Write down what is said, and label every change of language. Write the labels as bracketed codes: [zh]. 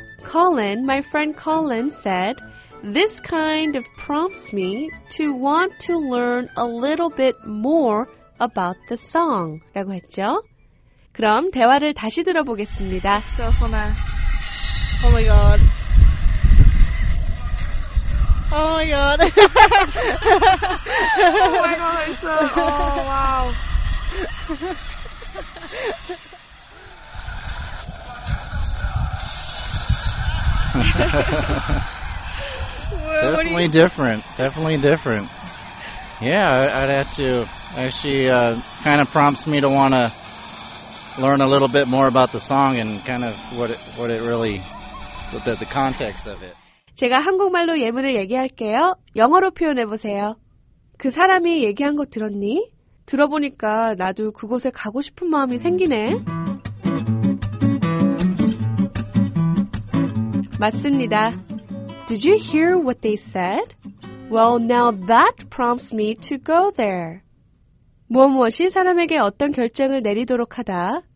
[en] Colin, my friend Colin said, This kind of prompts me to want to learn a little bit more about the song [ko] 라고 했죠. 그럼 대화를 다시 들어보겠습니다. [en] So fun. Oh my god. Oh my god. Oh my god, it's so, oh wow. Definitely different. Definitely different. Yeah, I'd have to. Actually, kind of prompts me to want to learn a little bit more about the song and kind of what it really, the context of it. [ko] 제가 한국말로 예문을 얘기할게요. 영어로 표현해보세요. 그 사람이 얘기한 거 들었니? 들어보니까 나도 그곳에 가고 싶은 마음이 생기네. 맞습니다. [en] Did you hear what they said? Well, now that prompts me to go there. [ko] 무엇무엇이 사람에게 어떤 결정을 내리도록 하다.